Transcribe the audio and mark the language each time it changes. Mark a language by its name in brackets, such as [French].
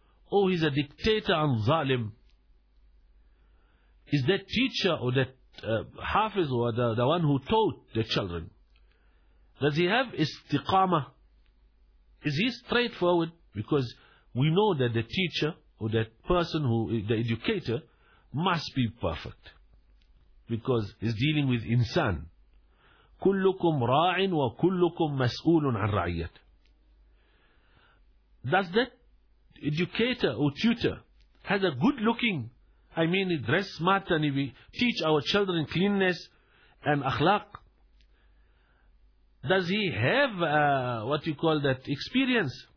[English] Oh, he's a dictator and zalim. Is that teacher or that hafiz or the one who taught the children? Does he have istiqama? Is he straightforward? Because we know that the teacher or that person who is the educator must be perfect. Because he's dealing with insan. [Arabic] كلكم راع وكلكم مسؤول عن رعيته. [English] Does that educator or tutor has a good looking, I mean he dress smart and he teach our children cleanness and akhlaq? Does he have what you call that experience?